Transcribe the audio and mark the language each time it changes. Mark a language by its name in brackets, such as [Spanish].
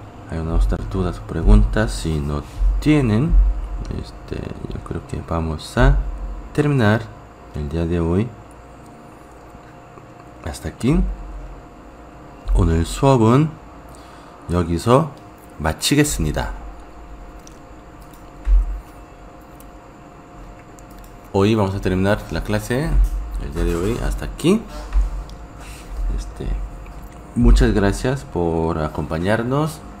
[Spanish] Hay unas dudas o preguntas. Si no tienen, yo creo que vamos a terminar el día de hoy. Hasta aquí. [Korean] 오늘 수업은 여기서 마치겠습니다. [Spanish] Hoy vamos a terminar la clase. El día de hoy hasta aquí. Muchas gracias por acompañarnos.